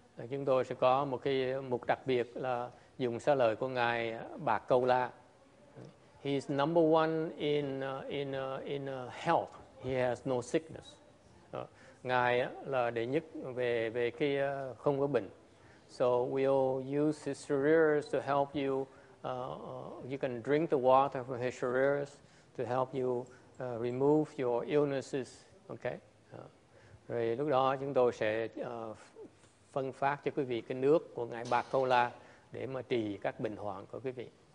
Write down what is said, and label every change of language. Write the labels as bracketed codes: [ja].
[vi] Chúng tôi sẽ có một cái mục đặc biệt là dùng xa lời của ngài Bạc Câu La. [en] He is number one in health. He has no sickness. [vi] Ngài là đệ nhất về cái không có bệnh. [en] So we'll use his shariras to help you. You can drink the water from his shariras to help you remove your illnesses. Okay. [vi] Rồi lúc đó chúng tôi sẽ phân phát cho quý vị cái nước của ngài Bạc Câu La để mà trị các bệnh hoạn của quý vị.